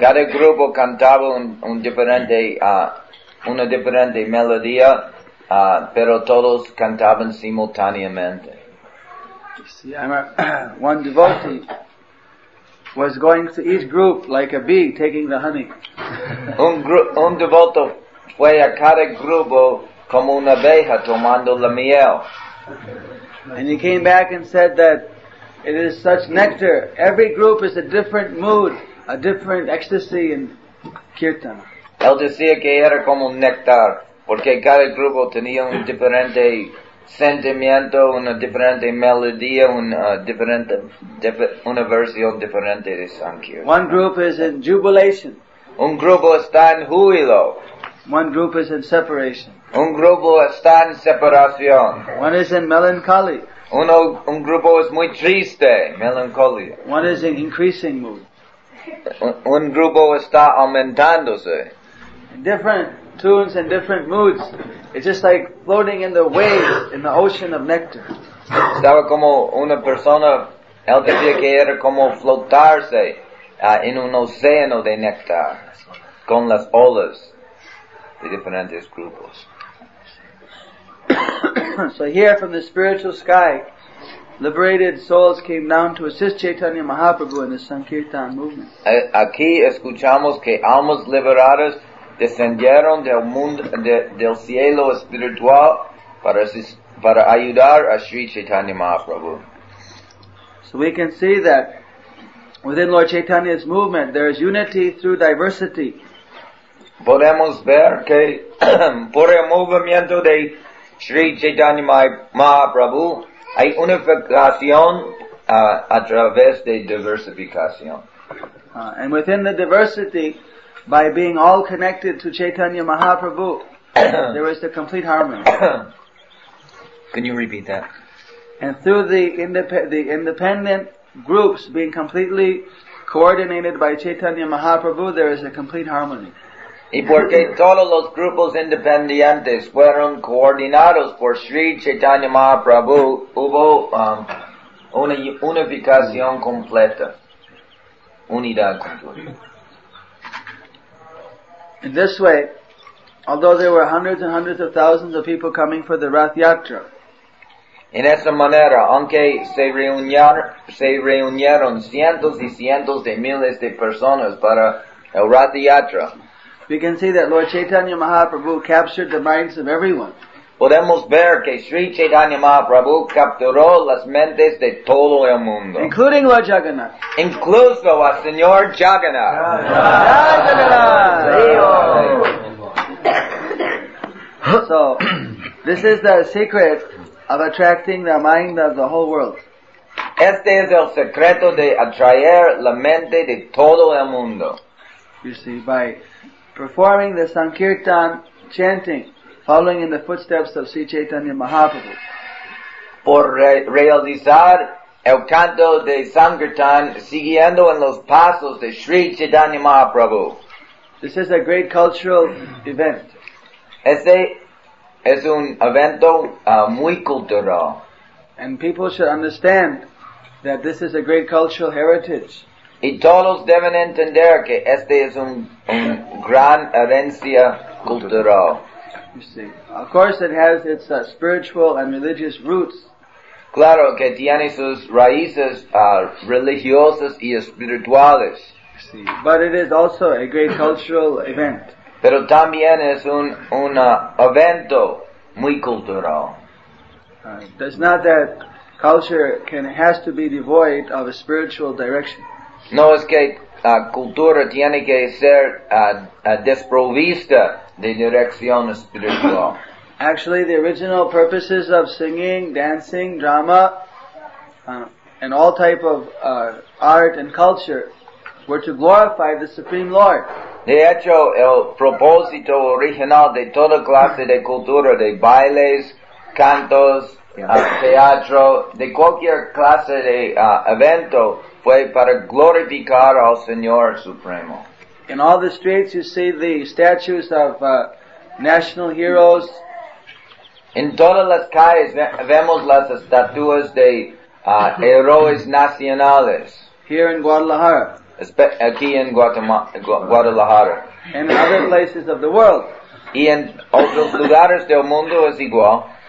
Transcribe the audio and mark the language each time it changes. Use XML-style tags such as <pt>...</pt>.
<es>Cada grupo cantaba una diferente melodía, pero todos cantaban simultáneamente.</es> <en>See, one devotee was going to each group like a bee taking the honey.</en> <es>un devoto fue a cada grupo como una abeja tomando la miel.</es> <en>And he came back and said that it is such nectar. Every group is a different mood, a different ecstasy in kirtan.</en> <es>Él decía que era como néctar, porque cada grupo tenía un diferente sentimiento, una diferente melodía, una versión diferente de sankirtan.</es> <en>One group is in jubilation.</en> <es>Un grupo está en júbilo.</es> <en>One group is in separation.</en> <es>Un grupo está en separación.</es> <en>One is in melancholy.</en> <es>Un grupo es muy triste, melancholia.</es> <en>One is in increasing mood.</en> <es>Un grupo está aumentándose.</es> <en>Different tunes and different moods. It's just like floating in the waves in the ocean of nectar.</en> <es>Estaba como una persona, él decía que era como flotarse en un océano de néctar con las olas de diferentes grupos.</es> <en>So here from the spiritual sky, liberated souls came down to assist Chaitanya Mahaprabhu in the Sankirtan movement.</en> <es>Aquí escuchamos que almas liberadas descendieron del mundo del cielo espiritual para ayudar a Sri Chaitanya Mahaprabhu.</es> <en>So we can see that within Lord Chaitanya's movement there is unity through diversity.</en> <es>Podemos ver que por el movimiento de Sri Chaitanya Mahaprabhu hay unificación a través de diversificación.</es> <en>And within the diversity, by being all connected to Chaitanya Mahaprabhu, there is the complete harmony. Can you repeat that? And through the independent groups being completely coordinated by Chaitanya Mahaprabhu, there is a complete harmony.</en> <es>Y porque todos los grupos independientes fueron coordinados por Sri Chaitanya Mahaprabhu, hubo una unificación completa, unidad completa.</es> <en>In this way, although there were hundreds and hundreds of thousands of people coming for the Rath Yatra,</en> <es>en esa manera, aunque se reunieron cientos y cientos de miles de personas para el Rath Yatra,</es> <en>we can see that Lord Chaitanya Mahaprabhu captured the minds of everyone.</en> <es>Podemos ver que Sri Chaitanya Mahaprabhu capturó las mentes de todo el mundo.</es> <en>Including Lord Jagannath.</en> <es>Incluso a Señor Jagannath. Jagannath!</es> <en>So, this is the secret of attracting the mind of the whole world.</en> <es>Este es el secreto de atraer la mente de todo el mundo.</es> <en>You see, by performing the Sankirtan chanting, following in the footsteps of Sri Chaitanya Mahaprabhu.</en> <es>Por realizar el canto de Sankirtan, siguiendo en los pasos de Sri Chaitanya Mahaprabhu.</es> <en>This is a great cultural event.</en> <es>Ese es un evento muy cultural.</es> <en>And people should understand that this is a great cultural heritage.</en> <es>Y todos deben entender que este es un gran herencia cultural.</es> <en>You see, of course it has its spiritual and religious roots.</en> <es>Claro que tiene sus raíces religiosas y espirituales. Sí.</es> <en>But it is also a great cultural event.</en> <es>Pero también es un evento muy cultural.</es> <en>It's not that culture has to be devoid of a spiritual direction.</en> <es>No, es que la cultura tiene que ser desprovista de dirección espiritual.</es> <en>Actually, the original purposes of singing, dancing, drama, and all type of art and culture were to glorify the Supreme Lord.</en> <es>De hecho, el propósito original de toda clase de cultura, de bailes, cantos, teatro, de cualquier clase de evento, fue para glorificar al Señor Supremo.</es> <en>In all the streets you see the statues of national heroes.</en> <es>En todas las calles vemos las estatuas de héroes nacionales.</es> <en>Here in Guadalajara.</en> <es>Aquí en Guadalajara.</es> <en>And other places of the world.</en> <es>Y en otros lugares del mundo es igual.</es>